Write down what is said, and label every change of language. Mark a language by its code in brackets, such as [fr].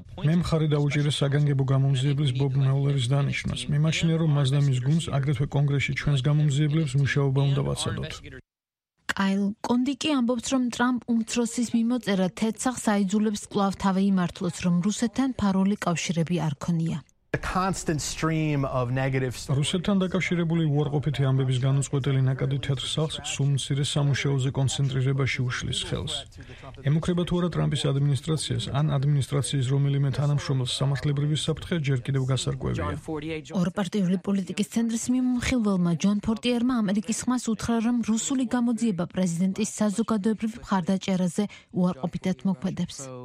[ka] მე მხარი დაუჭირე საგანგებო გამომძიებლის ბობ მეულერის დანიშნვას. მიმაჩნია, რომ მას და მის გუნდს, აგრეთვე კონგრესში ჩვენს გამომძიებლებს მუშაობა უნდა ვაცადოთ. კაილ კონდიკი ამბობს, რომ ტრამპ უმცროსის მიმოწერა თეთრსახს აიძულებს კვლავ თავი იმართლოს, რომ რუსეთთან ფარული კავშირები არ ქონია. [en] The constant stream of negative stories. [ka] რუსეთთან დაკავშირებული უარყოფითი ამბების განუწყვეტელი ნაკადი თეთრ სახლს სულ მცირე სამუშაოზე კონცენტრირებაში უშლის ხელს. ემუქრება თუ არა ტრამპის ადმინისტრაციას ან ადმინისტრაციის რომელიმე თანამშრომელს სამართლებრივი საფრთხე, ჯერ კიდევ გასარკვევია. ორპარტიული პოლიტიკის ცენტრის მიმხილველმა ჯონ ფორტიერმა ამერიკის ხმას უთხრა, რომ რუსული გამოძიება პრეზიდენტის საზოგადოებრივ მხარდაჭერაზე უარყოფითად მოქმედებს.